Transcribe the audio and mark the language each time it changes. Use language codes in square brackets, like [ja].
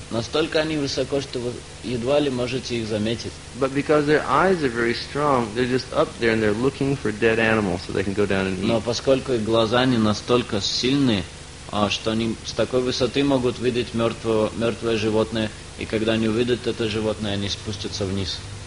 [ru] Настолько они высоко, что вы едва ли можете их заметить. [en] But because their eyes are very strong, they're just up there and they're looking for dead animals so they can go down and eat. [ru] Но поскольку их глаза не настолько сильные, что они с такой высоты могут видеть мертвое животное, и когда они увидят это животное, они спустятся вниз.